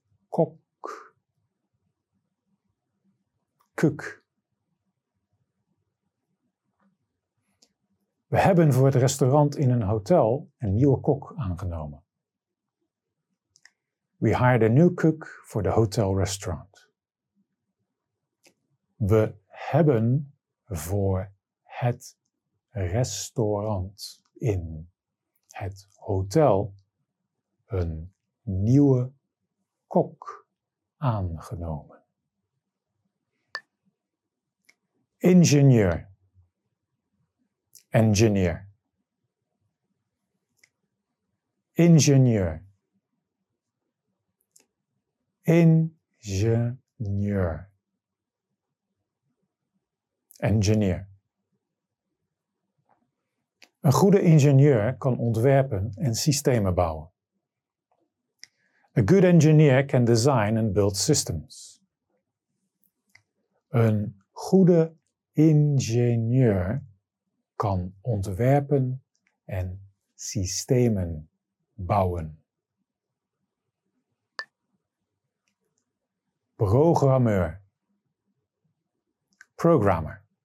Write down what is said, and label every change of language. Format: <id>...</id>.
<nl>Kok. Kuk. We hebben voor het restaurant in een hotel een nieuwe kok aangenomen.</nl> <en>We hired a new cook for the hotel restaurant.</en> <nl>We hebben voor het restaurant in het hotel een nieuwe kok aangenomen. Ingenieur.</nl> <en>Engineer.</en> <nl>Ingenieur. Ingenieur.</nl> <en>Engineer.</en> <nl>Een goede ingenieur kan ontwerpen en systemen bouwen.</nl> <en>A good engineer can design and build systems.</en> <nl>Een goede ingenieur kan ontwerpen en systemen bouwen. Programmeur.</nl> <en>Programmer.</en>